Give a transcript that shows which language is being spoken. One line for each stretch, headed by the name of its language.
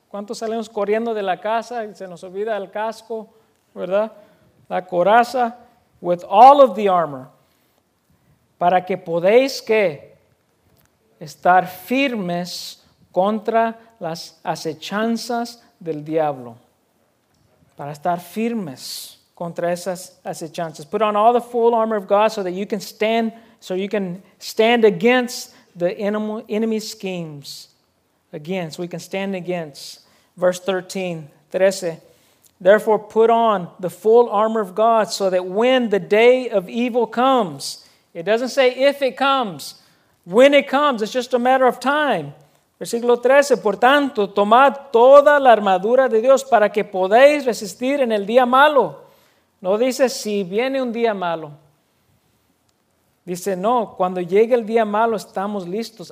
Spanish: ¿Cuántos salimos corriendo de la casa y se nos olvida el casco, verdad? La coraza,
English: with all of the armor,
Spanish: para que podéis, ¿qué? Estar firmes contra las acechanzas del diablo. Para estar firmes contra esas acechanzas.
English: Put on all the full armor of God so that you can stand, so you can stand against the enemy schemes. Against, we can stand against. Verse 13. Therefore put on the full armor of God so that when the day of evil comes, it doesn't say if it comes, when it comes, it's just a matter of time.
Spanish: Versículo 13, por tanto, tomad toda la armadura de Dios para que podáis resistir en el día malo. No dice si viene un día malo. Dice, no, cuando llegue el día malo estamos listos.